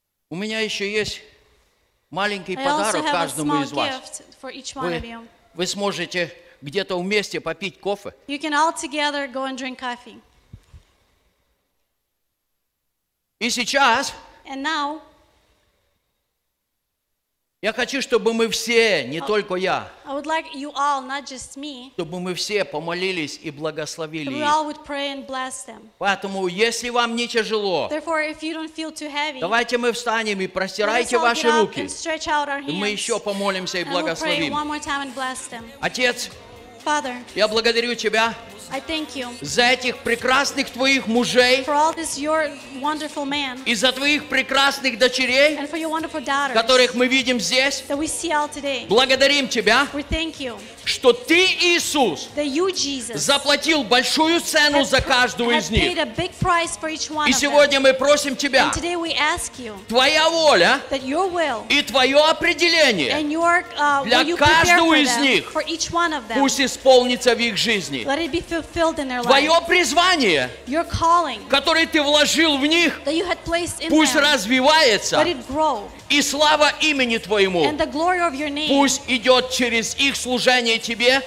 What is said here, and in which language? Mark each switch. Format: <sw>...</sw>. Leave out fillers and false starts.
<ru>У меня еще есть маленький подарок каждому из вас. Вы сможете где-то вместе попить кофе.</ru> <en>You can all together go and drink coffee.</en> <ru>И сейчас,</ru> <en>and now,</en> <ru>я хочу, чтобы мы все, не только я,</ru> <en>I would like you all, not just me,</en> <ru>чтобы мы все помолились и благословили</ru> <en>we</en> <ru>их.</ru> <en>All would pray and bless them.</en> <ru>Поэтому, если вам не тяжело,</ru> <en>therefore, if you don't feel too heavy,</en> <ru>давайте мы встанем и простирайте ваши руки,</ru> <en>and stretch out our hands,</en> <ru>и мы еще помолимся и</ru> <en>and</en> <ru>благословим.</ru> <en>We'll pray one more time and bless them.</en> <ru>Отец,</ru> <en>Father,</en> <ru>я благодарю Тебя</ru> <en>I thank you</en> <ru>за этих прекрасных Твоих мужей,</ru> <en>for all this your wonderful man,</en> <ru>и за Твоих прекрасных дочерей,</ru> <en>and for your wonderful daughters,</en> <ru>которых мы видим здесь.</ru> <en>That we see all today.</en> <ru>Благодарим Тебя,</ru> <en>we thank you,</en> <ru>что Ты, Иисус,</ru> <en>that you, Jesus,</en> <ru>заплатил большую цену за каждого из них.</ru> <en>Paid a big price for each one</en> <ru>и сегодня</ru> <en>of them.</en> <ru>Мы просим Тебя,</ru> <en>and today we ask you,</en> <ru>Твоя воля</ru> <en>that your will,</en> <ru>и Твое определение</ru> <en>and your,</en> <ru>для каждого из них</ru> <en>for each one of them,</en> <ru>пусть исполнится в их жизни.</ru> <en>Let it be fulfilled in their life.</en> <ru>Твое призвание,</ru> <en>your calling,</en> <ru>которое Ты вложил в них,</ru> <en>that you had placed in</en> <ru>пусть</ru> <en>them,</en> <ru>развивается,</ru> <en>let it grow,</en> <ru>и слава имени Твоему,</ru> <en>and the glory of your name,</en> <ru>пусть идет через их служение Тебе,</ru>